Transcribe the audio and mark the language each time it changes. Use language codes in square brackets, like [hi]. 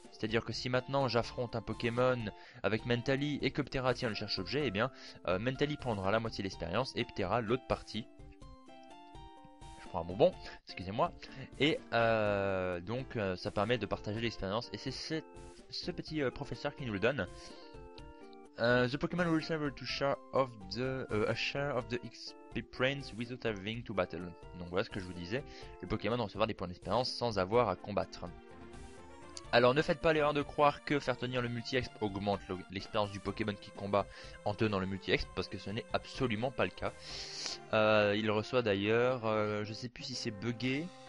[fr] C'est-à-dire que si maintenant j'affronte un Pokémon avec Mentali et que Ptera tient le cherche-objet, eh bien Mentali prendra la moitié de l'expérience et Ptera l'autre partie. Je prends un bonbon, excusez-moi. Et ça permet de partager l'expérience. Et c'est ce petit professeur qui nous le donne. [en] The Pokémon will receive a share of the XP points without having to battle. [fr] Donc voilà ce que je vous disais. Le Pokémon recevra des points d'expérience sans avoir à combattre. Alors ne faites pas l'erreur de croire que faire tenir le multi-exp augmente l'expérience du Pokémon qui combat en tenant le multi-exp, parce que ce n'est absolument pas le cas. Il reçoit d'ailleurs, je sais plus si c'est buggé.